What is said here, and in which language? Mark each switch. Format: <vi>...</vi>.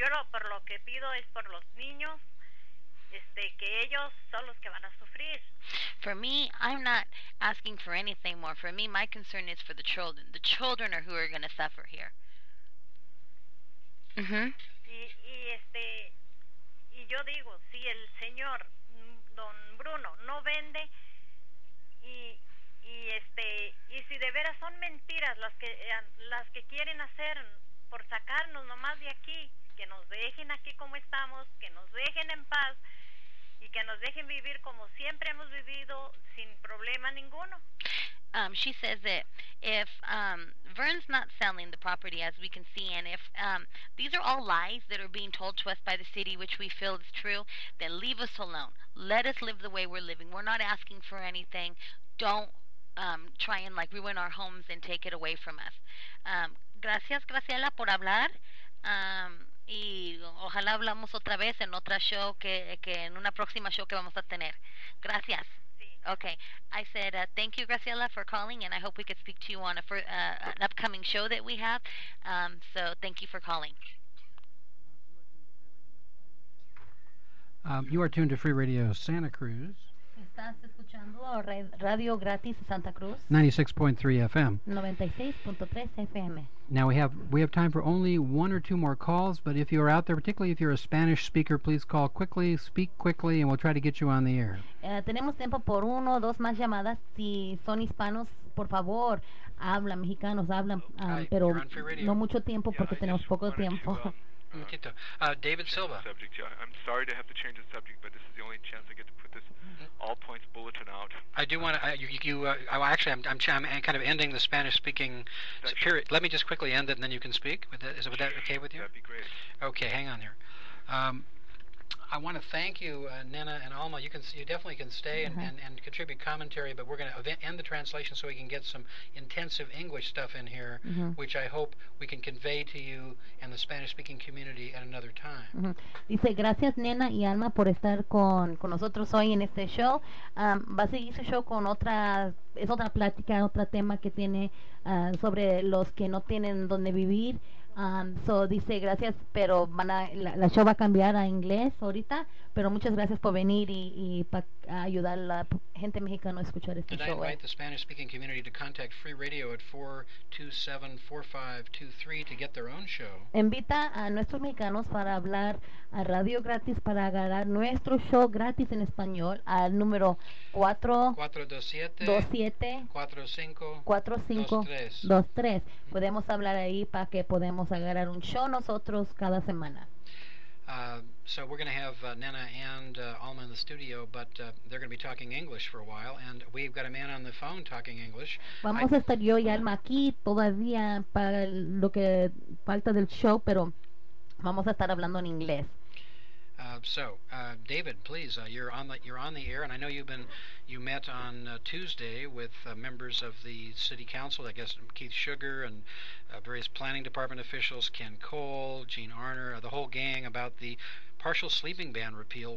<es>Por lo que pido es por los niños. Que ellos son los que van a sufrir.</es> <en>For me, I'm not asking for anything more. For me, my concern is for the children. The children are who are going to suffer here. Mm-hmm.</en> <es>Y yo digo, si el señor Don Bruno no vende y si de veras son mentiras las que quieren hacer por sacarnos nomás de aquí, que nos dejen aquí como estamos, que nos dejen en paz y que nos dejen vivir como siempre hemos vivido sin problema ninguno.</es> <en>She says that if Vern's not selling the property, as we can see, and if these are all lies that are being told to us by the city, which we feel is true, then leave us alone. Let us live the way we're living. We're not asking for anything. Don't try and like ruin our homes and take it away from us.</en> <es>Gracias, Graciela, por hablar. Y ojalá hablamos otra vez en otra show que en una próxima show que vamos a tener. Gracias. Sí.</es> <en>Okay. I said thank you, Graciela, for calling, and I hope we could speak to you on an upcoming show that we have. So thank you for calling. You are tuned to Free Radio Santa Cruz.</en> <es>¿Estás escuchando Radio Gratis Santa Cruz? 96.3 FM. 96.3 FM.</es> <en>Now we have time for only one or two more calls, but if you are out there, particularly if you're a Spanish speaker, please call quickly, speak quickly, and we'll try to get you on the air. Tenemos tiempo por uno o dos más llamadas. Si son hispanos, por favor, hablan, mexicanos, hablan, pero no mucho tiempo porque tenemos poco tiempo. David Silva. Subject, yeah. I'm sorry to have to change the subject, but this is the only chance I get to put this all points bulletin out. I do want to. I'm kind of ending the Spanish speaking period. Let me just quickly end it, and then you can speak. Would that okay with you? That'd be great. Okay, hang on here. I want to thank you, Nena and Alma. You definitely can stay and contribute commentary, but we're going to end the translation so we can get some intensive English stuff in here, which I hope we can convey to you and the Spanish-speaking community at another time.</en> <es>Dice, gracias, Nena y Alma, por estar con nosotros hoy en este show. Va a seguir su show con otra, es otra plática, otro tema que tiene sobre los que no tienen donde vivir. So dice gracias, pero la show va a cambiar a inglés ahorita, pero muchas gracias por venir y para ayudar a la gente mexicana a escuchar este show.</es> <en>invite the Spanish speaking community to contact Free Radio at 427-4523 to get their own show?</en> <es>Invita a nuestros mexicanos para hablar a radio gratis para agarrar nuestro show gratis en español al número 427-4523. Podemos hablar ahí para que podamos agarrar un show nosotros cada semana.</es> <en>So we're going to have Nena and Alma in the studio, but they're going to be talking English for a while, and we've got a man on the phone talking English.</en> <es>Vamos a estar yo y Alma aquí todavía para lo que falta del show, pero vamos a estar hablando en inglés.</es> <en>So, David, please, you're on the air, and I know you met on Tuesday with members of the city council. I guess Keith Sugar and various planning department officials, Ken Cole, Gene Arner, the whole gang, about the partial sleeping ban repeal.</en>